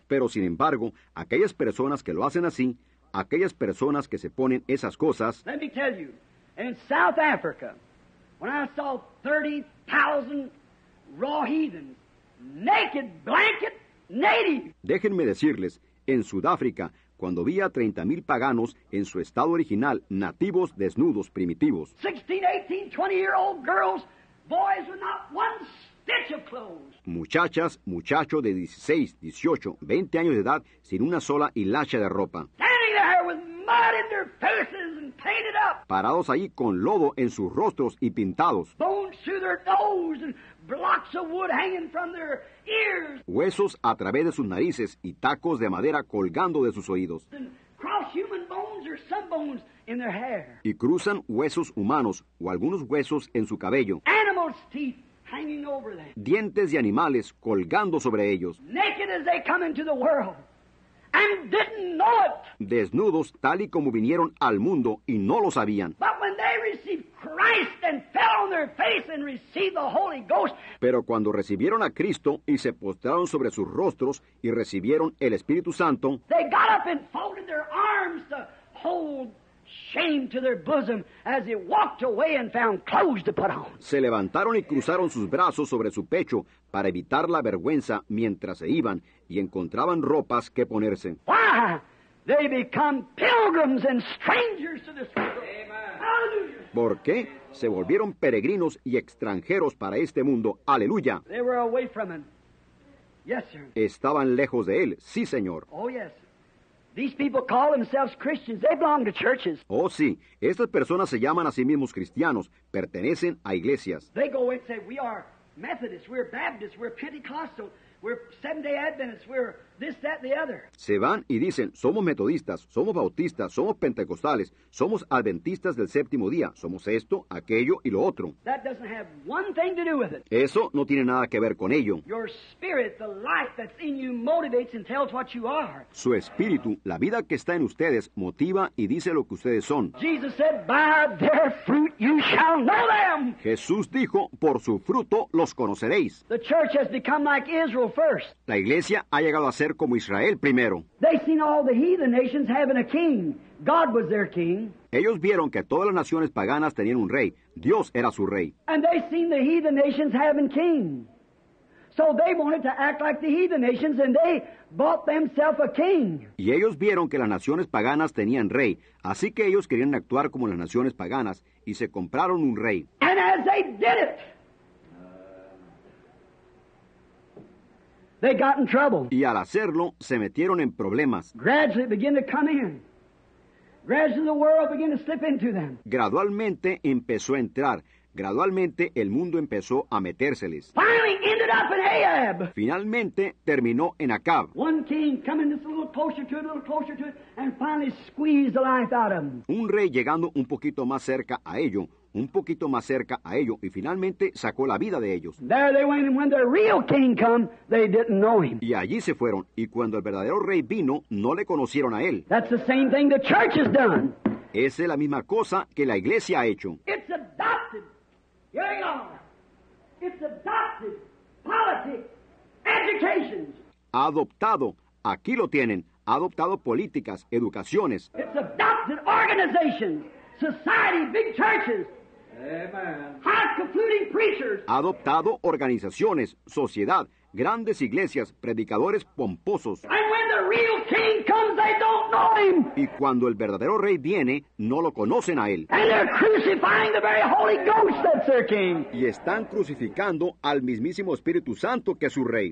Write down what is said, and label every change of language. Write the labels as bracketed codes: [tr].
[es] Pero sin embargo, aquellas personas que lo hacen así, aquellas personas que se ponen esas cosas. [en] Let me tell you, in South Africa, when I saw 30,000 raw heathens, naked, blanket, native. [es] Déjenme decirles, en Sudáfrica, cuando vi a 30,000 paganos en su estado original, nativos, desnudos, primitivos. [en] 16, 18, 20-year-old girls, boys with not one stitch of clothes. [es] Muchachas, muchachos de 16, 18, 20 años de edad, sin una sola hilacha de ropa. [en] Standing there with mud in their faces and painted up. [es] Parados ahí con lodo en sus rostros y pintados. [en] Bones through their nose and blocks of wood hanging from their ears. [es] Huesos a través de sus narices y tacos de madera colgando de sus oídos. [en] And cross human bones or some bones in their hair. [es] Y cruzan huesos humanos o algunos huesos en su cabello. [en] Animal's teeth hanging over them. [es] Dientes de animales colgando sobre ellos. [en] Naked as they come into the world and didn't know it. [es] Desnudos tal y como vinieron al mundo y no lo sabían. [en] But when they received Christ and fell on their face and received the Holy Ghost. [es] Pero cuando recibieron a Cristo y se postraron sobre sus rostros y recibieron el Espíritu Santo. [en] They got up and folded their arms to hold shame to their bosom as they walked away and found clothes to put on. [es] Se levantaron y cruzaron sus brazos sobre su pecho para evitar la vergüenza mientras se iban y encontraban ropas que ponerse. [en] Why? They become pilgrims and strangers to this world. Hallelujah. [es] ¿Por qué? Se volvieron peregrinos y extranjeros para este mundo. Aleluya. [en] They were away from him. Yes, sir. [es] Estaban lejos de él. Sí, señor. [en] Oh, yes. These people call themselves Christians. They belong to churches. [es] Oh, sí. Estas personas se llaman a sí mismos cristianos. Pertenecen a iglesias. [en] They go and say, we are Methodists, we're Baptists, we're Pentecostal, we're Seventh-day Adventists, we're this, that, the other. [es] Se van y dicen, somos metodistas, somos bautistas, somos pentecostales, somos adventistas del séptimo día, somos esto, aquello y lo otro. [en] That doesn't have one thing to do with it. [es] Eso no tiene nada que ver con ello. [en] Your spirit, the life that's in you, motivates and tells what you are. [es] Su espíritu, la vida que está en ustedes, motiva y dice lo que ustedes son. [en] Jesus said, by their fruit you shall know them. [es] Jesús dijo, por su fruto los conoceréis. [en] The church has become like Israel first. [es] La iglesia ha llegado a ser como Israel primero. [en] They seen all the heathen nations having a king. God was their king. [es] Ellos vieron que todas las naciones paganas tenían un rey. Dios era su rey. [en] And they seen the heathen nations having king. So they wanted to act like the heathen nations and they bought themselves a king. [es] Y ellos vieron que las naciones paganas tenían rey, así que ellos querían actuar como las naciones paganas y se compraron un rey. [en] And as they did it, they got in trouble. [es] Y al hacerlo, se metieron en problemas. [en] Gradually began to come in. Gradually the world began to slip into them. [es] Gradualmente empezó a entrar. Gradualmente el mundo empezó a metérseles. [en] Finally ended up in Ahab. [es] Finalmente terminó en Acab. [en] One king coming just a little closer to it, and finally squeezed the life out of him. [es] Un rey llegando un poquito más cerca a ello. Un poquito más cerca a ello y finalmente sacó la vida de ellos. [en] There they went, and when their real king came, they didn't know him. [es] Y allí se fueron, y cuando el verdadero rey vino, no le conocieron a él. [en] That's the same thing the church has done. [es] Esa es la misma cosa que la iglesia ha hecho. [en] It's adopted. Here you are. It's adopted. Politics. Education. [es] Adoptado. Aquí lo tienen. Adoptado políticas, educaciones. [en] It's adopted organizations. Society, big churches. Amen. High concluding preachers. [es] Adoptado organizaciones, sociedad, grandes iglesias, predicadores pomposos. [en] And when the real king comes, they don't know him. [es] Y cuando el verdadero rey viene, no lo conocen a él. [en] And they're crucifying the very Holy Ghost that's their king. [es] Y están crucificando al mismísimo Espíritu Santo que es su rey.